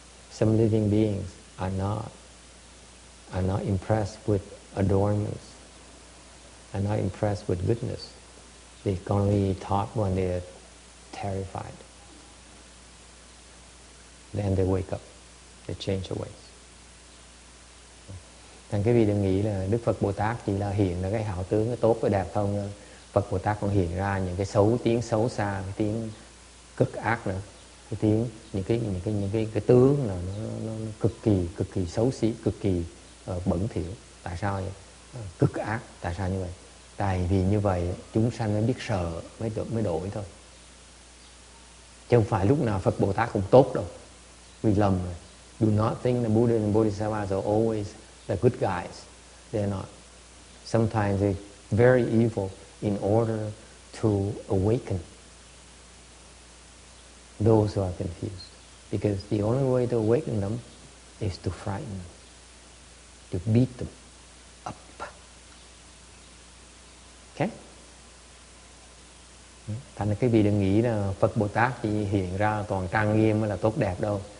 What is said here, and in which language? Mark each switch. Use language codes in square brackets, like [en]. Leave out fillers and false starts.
[en] Some living beings are not impressed with adornments, are not impressed with goodness. They can only be taught when they're terrified. Then they wake up, they change their ways. [vi] Thành quý vị đừng nghĩ là Đức Phật Bồ Tát chỉ là hiện ra cái hảo tướng, cái tốt, cái đẹp không. Phật Bồ Tát còn hiện ra những cái xấu, tiếng xấu xa, cái tiếng cực ác nữa, cái tiếng, những cái tướng là nó cực kỳ xấu xí, cực kỳ bẩn thỉu. Tại sao vậy? Cực ác. Tại sao như vậy? Tại vì như vậy chúng sanh mới biết sợ, mới đổi thôi. Chứ không phải lúc nào Phật Bồ Tát cũng tốt đâu. [en] We [vi] lầm rồi. [en] Do not think the Buddha and Bodhisattvas are always the good guys. They're not. Sometimes they're very evil in order to awaken those who are confused. Because the only way to awaken them is to frighten them, to beat them up. Okay? [vi] Thành ra quý vị đừng nghĩ là Phật Bồ Tát chỉ hiện ra toàn trang nghiêm mới là tốt đẹp đâu.